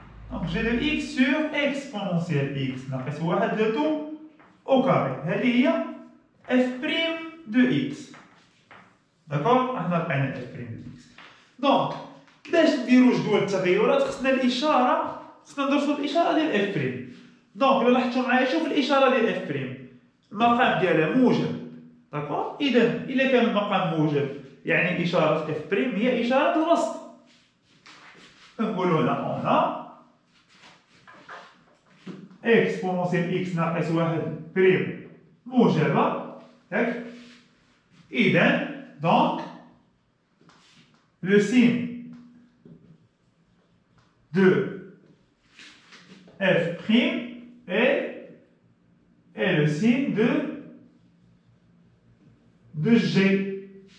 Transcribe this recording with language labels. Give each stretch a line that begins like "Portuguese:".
French: Donc, g de x sur exponentielle x n'a pas le tout au carré. Et il y a f prime de x. D'accord,
Arabic: احنا بقينا
French: f prime x.
Arabic: Donc, باش نديرو جدول التغيرات خصنا الاشاره، خصنا ندرسو الاشاره ديال f prime. Donc, الا لاحظتوا معايا شوف الاشاره ديال f prime. المقام ديالها موجب. D'accord؟ اذا الا كان المقام موجب، يعني اشاره f prime هي اشاره الوسط. نقولوا هنا هنا exponential x ناقص 1 prime موجبه. هك اذا
French: donc, le signe de f prime est le signe de g.